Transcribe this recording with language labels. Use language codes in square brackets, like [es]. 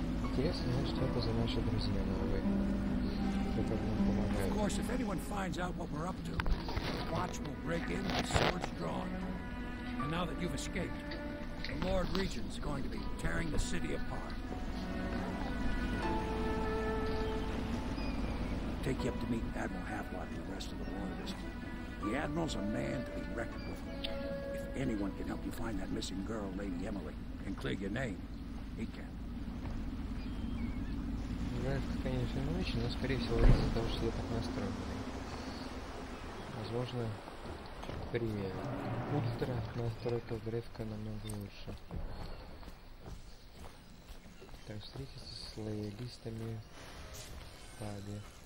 [ru] Интересно, что это за наши друзья новые, которые нам помогают. Конечно, если кто-то узнает, что мы делаем, [en] Watch will break in, the sword's drawn. And now that you've escaped, the Lord Regent's going to be tearing the city apart. I'll take you up to meet Admiral Havelock and the rest of the loyalists. The Admiral's a man to be reckoned with. If anyone can help you find that missing girl, Lady Emily, and clear your name, he can. [ru] Это, конечно, не очень, но, скорее всего, из-за того, что я так настроен. Возможно, при ультра настройка Грефка намного лучше. Так, встретиться с лоялистами в паде.